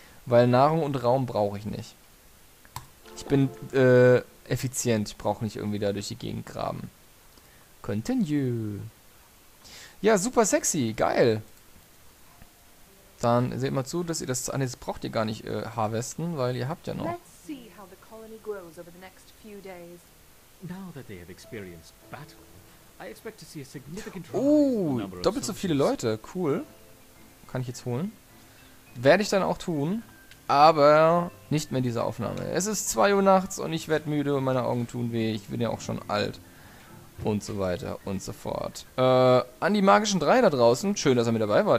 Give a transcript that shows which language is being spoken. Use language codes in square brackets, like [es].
[de] Weil Nahrung und Raum brauche ich nicht. Ich bin effizient. Ich brauche nicht irgendwie da durch die Gegend graben. [en] Continue. [de] Ja, super sexy. Geil. Dann seht mal zu, dass ihr das... Ah, jetzt braucht ihr gar nicht Haarwesten, weil ihr habt ja noch... [en] Let's see how the colony grows over the next few days. Now that they have experienced battle, I expect to see a significant rise in the number of soldiers. [de] Oh, doppelt so viele Leute. Cool. Kann ich jetzt holen. Werde ich dann auch tun, aber nicht mehr diese Aufnahme. Es ist 2 Uhr nachts und ich werde müde und meine Augen tun weh. Ich bin ja auch schon alt. Und so weiter und so fort. An die magischen 3 da draußen. Schön, dass er mit dabei war.